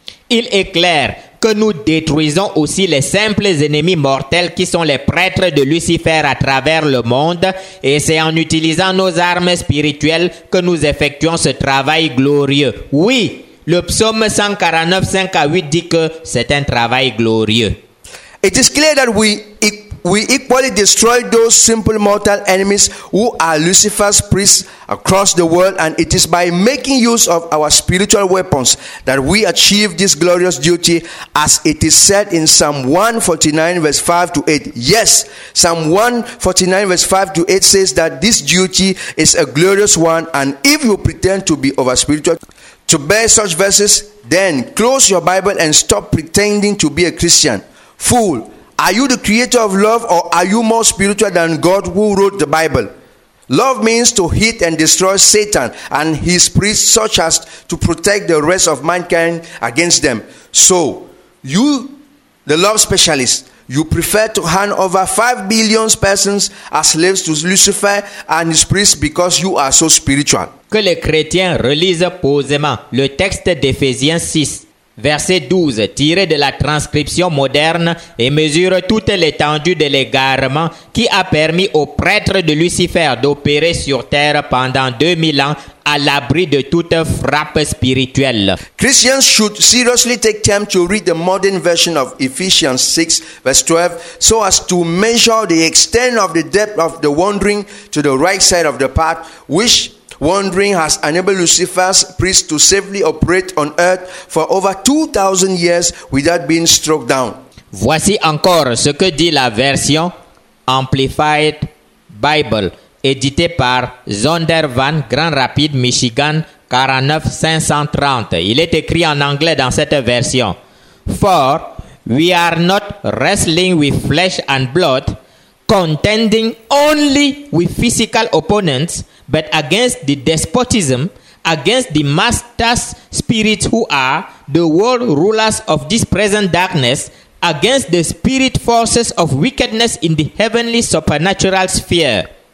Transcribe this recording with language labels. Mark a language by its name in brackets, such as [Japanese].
[French] Il est clair que nous détruisons aussi les simples ennemis mortels qui sont les prêtres de Lucifer à travers le monde, et c'est en utilisant nos armes spirituelles que nous effectuons ce travail glorieux. Oui, le psaume 149, 5 à 8 dit que c'est un travail glorieux. [English] It is clear that we equally destroy those simple mortal enemies who are Lucifer's priests across the world, and it is by making use of our spiritual weapons that we achieve this glorious duty, as it is said in Psalm 149 verse 5 to 8. Yes, Psalm 149 verse 5 to 8 says that this duty is a glorious one, and if you pretend to be over spiritual to bear such verses, then close your Bible and stop pretending to be a Christian. Fool, are you the creator of love, or are you more spiritual than God who wrote the Bible? Love means to hit and destroy Satan and his priests, such as to protect the rest of mankind against them. So, you, the love specialist, you prefer to hand over 5 billion persons as slaves to Lucifer and his priests because you are so spiritual. [French] Que les chrétiens relisent posément le texte d'Éphésiens 6. Verset 12, tiré de la transcription moderne, et mesure toute l'étendue de l'égarement qui a permis aux prêtres de Lucifer d'opérer sur terre pendant 2000 ans à l'abri de toute frappe spirituelle. [English] Christians should seriously take time to read the modern version of Ephesians 6, verse 12, so as to measure the extent of the depth of the wandering to the right side of the path, which wandering has enabled Lucifer's priest to safely operate on earth for over 2,000 years without being struck down. [French] Voici encore ce que dit la version Amplified Bible, éditée par Zondervan, Grand Rapids, Michigan, 49530. Il est écrit en anglais dans cette version. [English] For we are not wrestling with flesh and blood, contending only with physical opponents, but against the despotism, against the master spirits who are the world rulers of this present darkness, against the spirit forces of wickedness in the heavenly supernatural sphere.